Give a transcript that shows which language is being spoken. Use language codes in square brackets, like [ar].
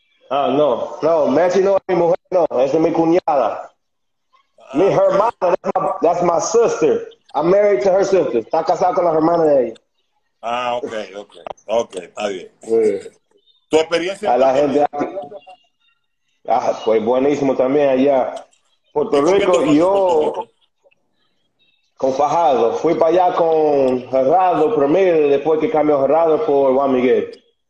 [es] No, Messi no es mi mujer, no, esa es mi cuñada. Mi hermana, [en] that's my sister. I'm married to her sister. [es] Está casada con la hermana de ella. Ah, ok, está bien. Sí. ¿Tu experiencia? A la gente. Fue buenísimo también allá. Puerto Rico, yo, Con Fajardo. Fui para allá con Gerardo primero, después que cambió Gerardo por Juan Miguel.